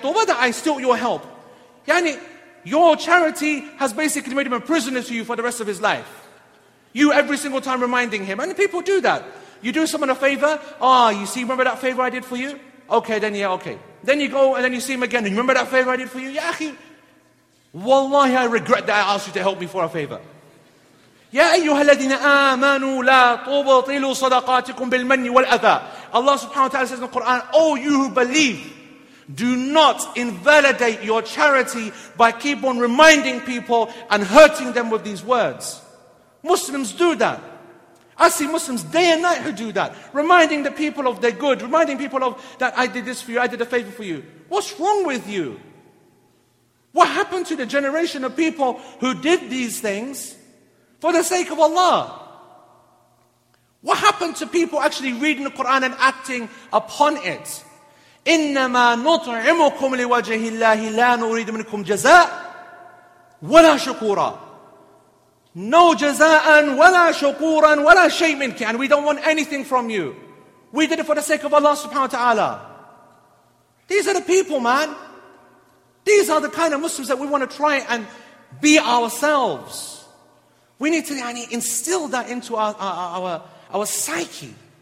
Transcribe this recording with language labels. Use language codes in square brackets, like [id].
[en] Toba that I stole your help. Yani, your charity has basically made him a prisoner to you for the rest of his life. You every single time reminding him. And people do that. You do someone a favor. Ah, you see, remember that favor I did for you? Okay, then yeah, okay. Then you go and then you see him again. And you remember that favor I did for you? [ar] Ya akhi, wallahi, [en] I regret that I asked you to help me for a favor. [ar] يا أيها الذين آمنوا لا تبطلوا صدقاتكم بالمن والأذى. [en] Allah subhanahu wa ta'ala says in the Quran, oh you who believe, do not invalidate your charity by keep on reminding people and hurting them with these words. Muslims do that. I see Muslims day and night who do that. Reminding the people of their good, reminding people of that I did this for you, I did a favor for you. What's wrong with you? What happened to the generation of people who did these things for the sake of Allah? What happened to people actually reading the Quran and acting upon it? [ar] إِنَّمَا نُطْعِمُكُمْ لِوَجْهِ اللَّهِ لَا نُرِيدُ مِنْكُمْ جَزَاءً وَلَا شُكُورًا. No jaza'an, وَلَا شُكُورًا, وَلَا شَيْءٍ مِنْكِ. [en] And we don't want anything from you. We did it for the sake of Allah subhanahu wa ta'ala. These are the people, man. These are the kind of Muslims that we want to try and be ourselves. We need to instill that into our psyche.